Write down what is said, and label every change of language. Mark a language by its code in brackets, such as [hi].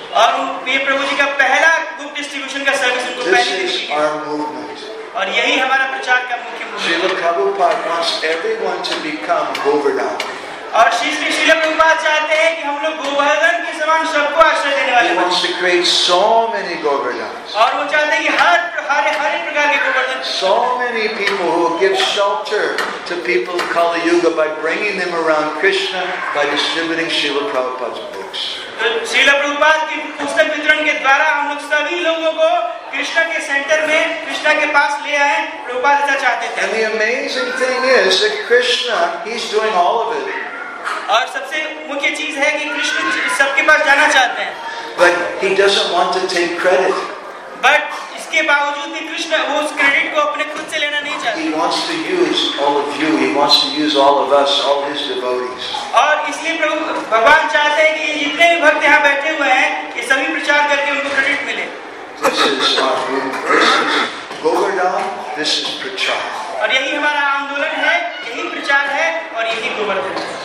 [hi] और ये प्रभु जी का पहला बुक डिस्ट्रीब्यूशन का सर्विस उनको पहली दी गई. [en] This is our movement. [hi] और यही हमारा प्रचार का मुख्य मुद्दा. [en] Srila Prabhupada wants everyone to become Govardhan. [hi] और श्री प्रभुपाद चाहते हैं कि हम लोग गोवर्धन के समान सबको आश्रय देने वाले. [en] He wants to create so many Govardhans. [hi] और वो चाहते हैं कि हर हर हर प्रकार के Govardhan. [en] So many people who give shelter to people in Kali Yuga by bringing them around Krishna by distributing Srila Prabhupada's books. [hi] तो श्रीला प्रभुपाद की पुस्तक वितरण के द्वारा हम लोग सभी लोगों को कृष्णा के सेंटर में कृष्णा के पास ले आए. प्रभुपाद ऐसा चाहते थे. [en] And the amazing thing is that Krishna, he's doing all of it. [hi] और सबसे मुख्य चीज है कि कृष्ण सबके पास जाना चाहते हैं. [en] But he doesn't want to take credit. [hi] But इसके बावजूद भी कृष्ण वो उस क्रेडिट को अपने खुद से लेना नहीं चाहते. [en] He wants to use all of you. He wants to use all of us, all his devotees. [hi] और इसलिए प्रभु भगवान चाहते हैं कि जितने भी भक्त यहाँ बैठे हुए हैं ये सभी प्रचार करके उनको क्रेडिट मिले. [en] Govardhan, this is prachar. [hi] और यही हमारा आंदोलन है, यही प्रचार है और यही गोवर्धन.